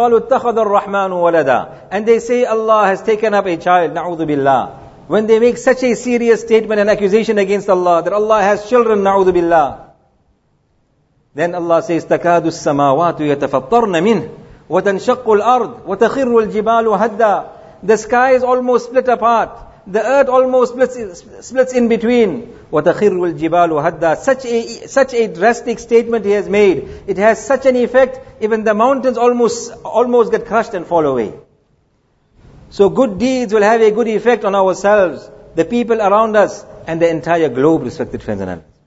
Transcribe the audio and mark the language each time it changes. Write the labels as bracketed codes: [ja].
[en] And they say Allah has taken up a child, na'udhu billah. When they make such a serious statement and accusation against Allah, that Allah has children, na'udhu billah. Then Allah says, [ar] تَكَادُ السَّمَاوَاتُ يَتَفَطَّرْنَ مِنْهِ وَتَنْشَقُّ الْأَرْضِ وَتَخِرُّ الْجِبَالُ هَدَّى. [en] The sky is almost split apart. The earth almost splits in between. [ar] وَتَخِرُّ الْجِبَالُ هَدَّى. [en] Such a drastic statement he has made. It has such an effect, even the mountains almost get crushed and fall away. So good deeds will have a good effect on ourselves, the people around us, and the entire globe, respected friends and aunts.